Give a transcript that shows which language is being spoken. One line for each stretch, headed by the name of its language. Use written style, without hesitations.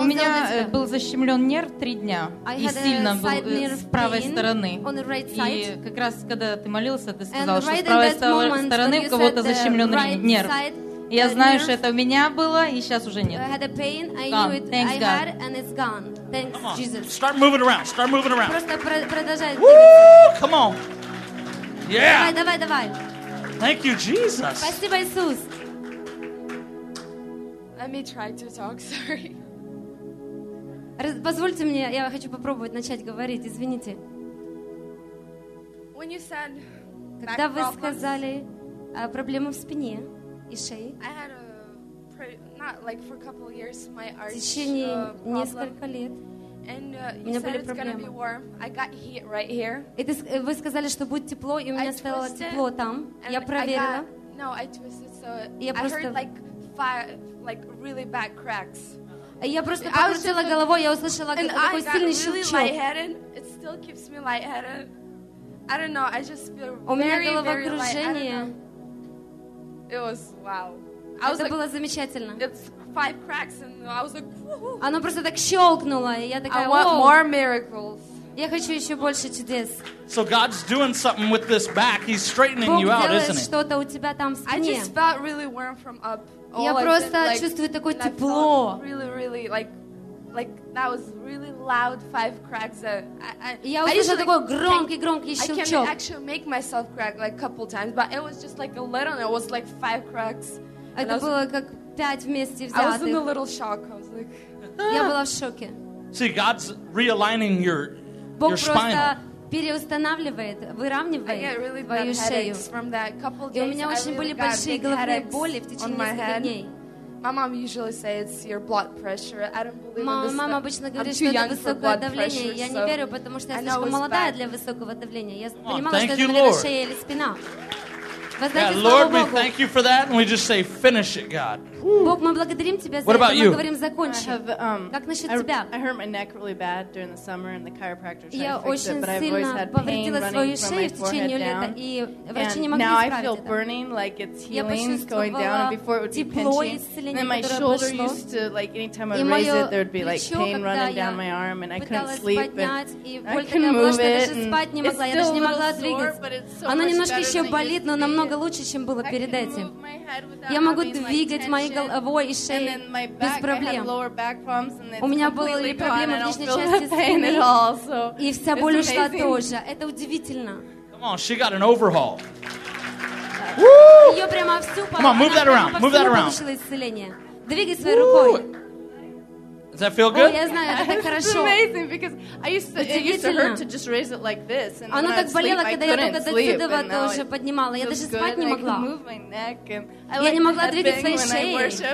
Russian: у меня был защемлен нерв 3 дня, и сильно был с правой стороны. И как раз когда ты молился, ты сказал, что с правой стороны у кого-то защемлен нерв. Я знаю, что это у меня было, и сейчас уже нет.
English: I had a pain, I knew it, thanks God, and it's gone. Thanks, Jesus. Start moving around. Start moving around.
Russian: Просто продолжай.
English: Woo! Come on. Yeah.
Russian: Давай, давай, давай.
English: Thank you, Jesus.
Russian: Спасибо, Иисус.
English: Let me try to talk. Sorry.
Russian: Позвольте мне, я хочу попробовать начать говорить. Извините.
English: When you said,
Russian: когда вы сказали проблему в спине. И шеи.
English: I had a not like for a couple of years my arch.
Russian: В течение нескольких лет.
English: And you said it's gonna be warm. I got heat right here.
Russian: Это вы сказали, что будет тепло, и у меня стало тепло там. Я проверила.
English: No, I twisted so I heard like fire, like really bad cracks.
Russian: Я просто покрутила головой, я услышала такой сильный щелчок.
English: And I got really lightheaded. It still keeps me lightheaded. I don't know. I just feel very, very light.
Russian: У меня головокружение.
English: It was wow.
Russian: Это было замечательно.
English: It's 5 cracks, and I was like,
Russian: оно просто так щелкнуло, и я такая,
English: I want more miracles.
Russian: Я хочу еще больше чудес.
English: So God's doing something with this back. He's straightening you out, isn't he?
Russian: Бог делает что-то у тебя там в спине.
English: I just felt really warm from up.
Russian: Я просто чувствую такое тепло.
English: Really, really, like that was really loud 5 cracks.
Russian: Я услышала такой громкий щелчок.
English: I can actually make myself crack like a couple times, but it was just like a little, and it was like 5 cracks.
Russian: Это было как 5 вместе взятых.
English: I was in a little shock. I was like,
Russian: я была в шоке.
English: See, God's realigning your spine.
Russian: Переустанавливает, выравнивает твою шею.
English: From that couple days,
Russian: и у меня очень
English: really
Russian: были большие головные боли в течение нескольких дней.
English: My mom usually says it's your blood pressure. I don't believe
Russian: Мама,
English: in this.
Russian: Мама обычно говорит, что это высокое давление. Я не верю, потому что я слишком молодая для высокого давления. Я понимала, что это или шея, или спина.
English: Yeah, Lord, we thank you for that, and we just say, finish it, God.
Russian: Бог, мы благодарим тебя за это, мы говорим, закончи. Как насчет тебя?
English: I hurt my neck really bad during the summer, and the chiropractor tried to fix it, but I've always had pain running from my forehead down. And now I feel burning, like it's healing, going down, and before it would be pinching. And then my shoulder used to, like, anytime I would raise it, there would be, like, pain running down my arm, and I couldn't sleep, and I couldn't move it, and it's still a little sore, but it's so much better than it used to be. It's still a little sore, but it's so much better than it used to be. I can move my head without having, like,
Russian: головой и шеей без проблем. У меня были проблемы в нижней части спины, и вся боль ушла тоже. Это удивительно.
English: Come on, she got an overhaul.
Russian: Ее прямо всю
English: Come on, move that around. Move that around.
Russian: Получила исцеление. Двигай своей рукой.
English: Does that feel good?
Russian: О, я знаю, это хорошо.
English: It's amazing because it used to hurt to just raise it like this, and
Russian: она так болела, когда я только до сюда тоже поднимала. Я даже спать не могла. Я не могла двигать своей шеей.